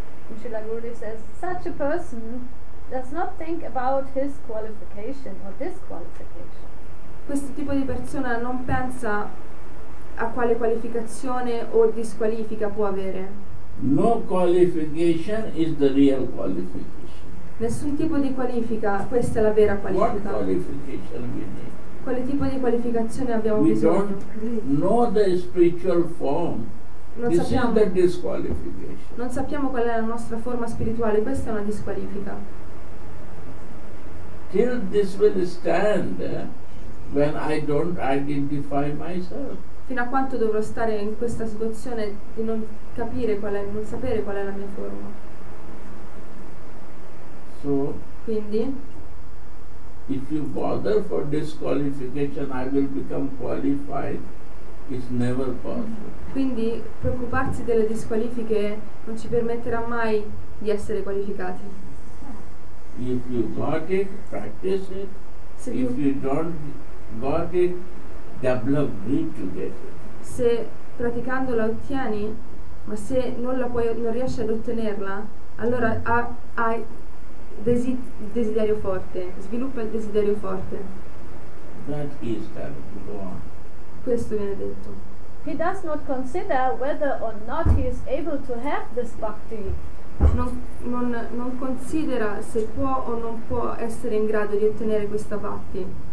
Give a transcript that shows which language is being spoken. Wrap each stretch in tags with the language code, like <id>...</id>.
<en>And Srila Guru says, such a person does not think about his qualification or disqualification.</en> <it>Questo tipo di persona non pensa a quale qualificazione o disqualifica può avere.</it> <en>No qualification is the real qualification.</en> <it>Nessun tipo di qualifica, questa è la vera qualifica.</it> <en>What qualification we need?</en> <it>Quale tipo di qualificazione abbiamo</it> <en>we</en> <it>bisogno?</it> <en>We don't know the spiritual form.</en> <it>Non</it> <en>this</en> <it>sappiamo.</it> <en>Is the disqualification.</en> <it>Non sappiamo qual è la nostra forma spirituale, questa è una disqualifica.</it> <en>Till this will stand when I don't identify myself.</en> <it>Fino a quanto dovrò stare in questa situazione di non capire qual è, non sapere qual è la mia forma.</it> <en>So</en> <it>quindi</it> <en>if you bother for disqualification, I will become qualified, is never possible.</en> <it>Quindi preoccuparsi delle disqualifiche non ci permetterà mai di essere qualificati.</it> <en>If you got it, practice it.</en> <it>Se</it> <en>if you don't got it, develop need to get it.</en> <it>Se praticando la ottieni, ma se non la puoi, non riesci ad ottenerla, allora hai desiderio forte, sviluppa il desiderio forte.</it> <en>That is that. Go on.</en> <it>Questo viene detto.</it> <en>He does not consider whether or not he is able to have this bhakti.</en> <it>Non considera se può o non può essere in grado di ottenere questa bhakti.</it>